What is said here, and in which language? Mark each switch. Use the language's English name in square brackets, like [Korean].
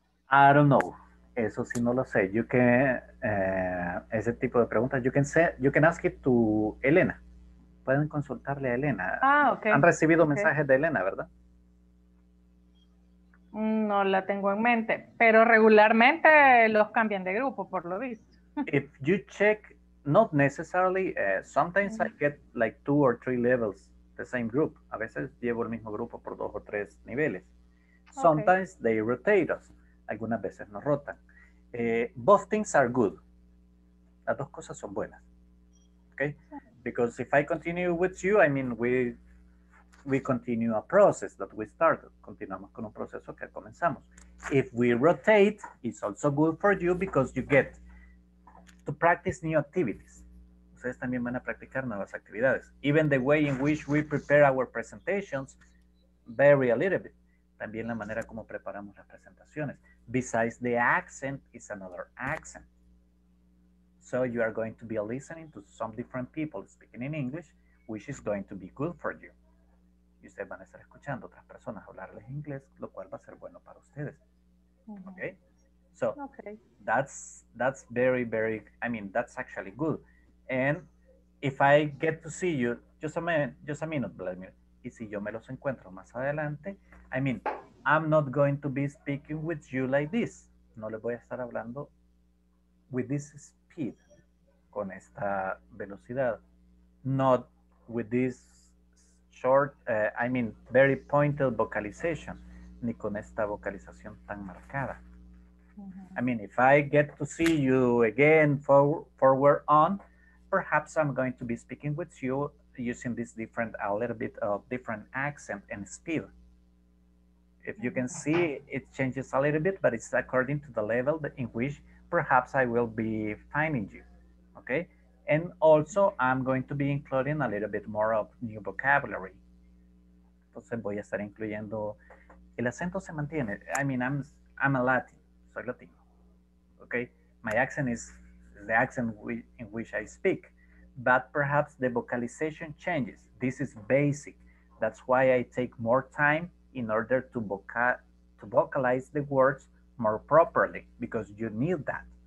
[English] I don't know. [Spanish] Eso sí no lo sé. [English] You can, [Spanish] ese tipo de preguntas, [English] you can say, you can ask it to Elena. [Spanish] Pueden consultarle a Elena. [English] Ah, ok. [Spanish] Han recibido mensajes de Elena, ¿verdad? No la tengo en mente, pero regularmente los cambian de grupo, por lo visto. [English] If you check, not necessarily, sometimes I get like two or three levels, the same group. [Spanish] A veces llevo el mismo grupo por dos o tres niveles. [English] Sometimes they rotate us. [Spanish] Algunas veces nos rotan. [English] Both things are good. [Spanish] Las dos cosas son buenas. Okay? [English] Because if I continue with you, I mean we continue a process that we started. [Spanish] Continuamos con un proceso que comenzamos. [English] If we rotate, it's also good for you because you get to practice new activities. [Spanish] Ustedes también van a practicar nuevas actividades. [English] Even the way in which we prepare our presentations vary a little bit. [Spanish] También la manera como preparamos las presentaciones. [English] Besides the accent is another accent. So you are going to be listening to some different people speaking in English, which is going to be good for you. [Spanish] Y ustedes van a estar escuchando otras personas hablarles inglés, lo cual va a ser bueno para ustedes. Mm-hmm. Okay? [English] So that's very, very, I mean, that's actually good. And if I get to see you, just a minute, [Spanish] y si yo me los encuentro más adelante, [English] I mean, I'm not going to be speaking with you like this. [Spanish] No les voy a estar hablando [English] with this speed, [Spanish] con esta velocidad. [English] Not with this short, very pointed vocalization, [Spanish] ni con esta vocalización tan marcada. [English] Mm-hmm. I mean, if I get to see you again forward on, perhaps I'm going to be speaking with you using this different, a little bit of different accent and speed. If you can see, it changes a little bit, but it's according to the level in which perhaps I will be finding you, okay? And also, I'm going to be including a little bit more of new vocabulary. [Spanish] Entonces, voy a estar incluyendo, el acento se mantiene. [English] I mean, I'm a Latin, [Spanish] soy Latino, [English] okay? My accent is the accent in which I speak, but perhaps the vocalization changes. This is basic. That's why I take more time in order to vocalize the words more properly, because you need that.